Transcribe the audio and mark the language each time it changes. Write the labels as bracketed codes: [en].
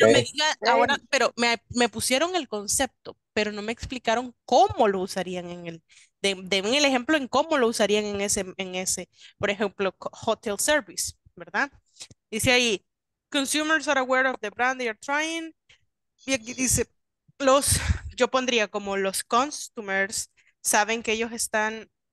[es] Pero me diga, ahora, pero me pusieron el concepto, pero no me explicaron cómo lo usarían en el. Den el ejemplo en cómo lo usarían en ese, por ejemplo, hotel service, ¿verdad? Dice ahí, [en] consumers are aware of the brand they are trying. [es] Y aquí dice, yo pondría como los customers saben que ellos están.